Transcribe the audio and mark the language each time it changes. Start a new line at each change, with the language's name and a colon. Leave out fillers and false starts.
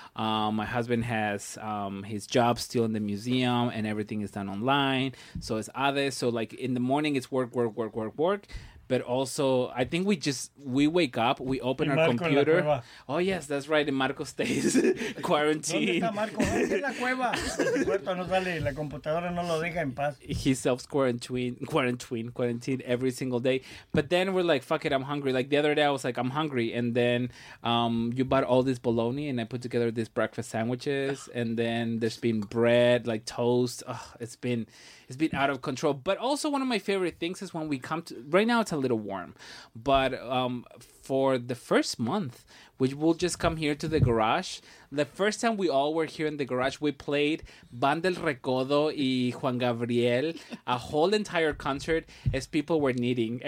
English: My husband has his job still in the museum and everything is done online. So it's Ade. So, like, in the morning, it's work, work, work, work, work. but also I think we wake up, we open our computer. Oh yes, that's right. And Marco stays quarantined.
Spanish: ¿Dónde está Marco? ¿Dónde está la cueva? El cuarto no sale, la computadora no lo deja en paz.
English: He self-quarantined every single day. But then we're like, fuck it, I'm hungry. Like the other day, I was like, I'm hungry. And then you bought all this bologna, and I put together these breakfast sandwiches. And then there's been bread, like toast. Oh, it's been out of control. But also one of my favorite things is when we come to, right now it's a little warm, but for the first month, which we'll just come here to the garage, the first time we all were here in the garage, we played Band del Recodo y Juan Gabriel, a whole entire concert as people were knitting.